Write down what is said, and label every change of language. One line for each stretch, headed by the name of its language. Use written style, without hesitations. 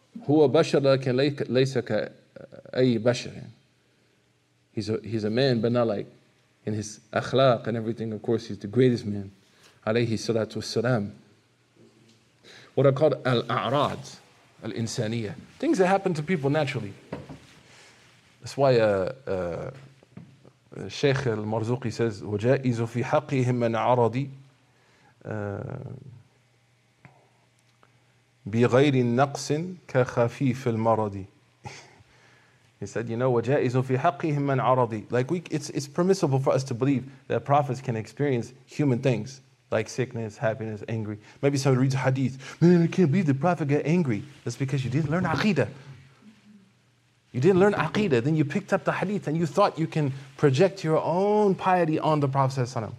Arabic: هو بشر لكن ليس كأي بشر.
English: He's a man, but not like in his akhlaq and everything. Of course, he's the greatest man,
Arabic: عليه الصلاة والسلام.
English: What are called al-a'rad, al-insaniyah, things that happen to people naturally. That's why Sheikh al-Marzuqi says,
Arabic: وجائز في حقهم من عرضي بغير نقص كخفيف المرض.
English: He said, you know,
Arabic: وجائز في حقهم من عرضي.
English: Like, it's permissible for us to believe that prophets can experience human things like sickness, happiness, angry. Maybe someone reads a hadith, man, I can't believe the prophet got angry. That's because you didn't learn aqidah. You didn't learn aqidah. Then you picked up the hadith and you thought you can project your own piety on the Prophet.